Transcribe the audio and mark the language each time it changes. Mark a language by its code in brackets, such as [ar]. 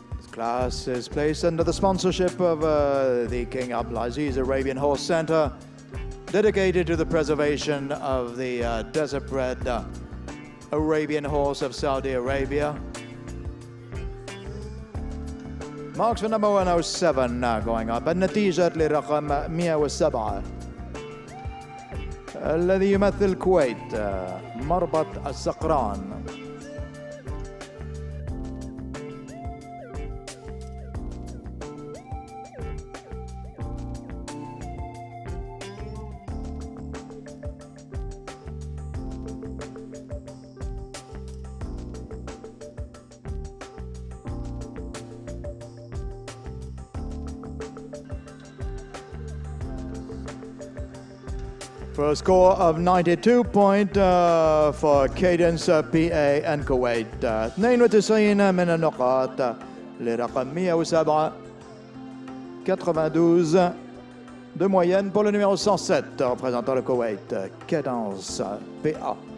[en] Class is placed under the sponsorship of the King Abdulaziz Arabian Horse Center, dedicated to the preservation of the desert bred Arabian horse of Saudi Arabia. Marks for number 107 now going up. [ar] النتيجة لرقم 107 الذي يمثل كويت مربط السقران. [en] A score of 92 points for Cadence PA and Kuwait. 92 points and a score. [fr] Le raqam 107, 92 de moyenne pour le numéro 107, représentant le Koweït, Cadence PA.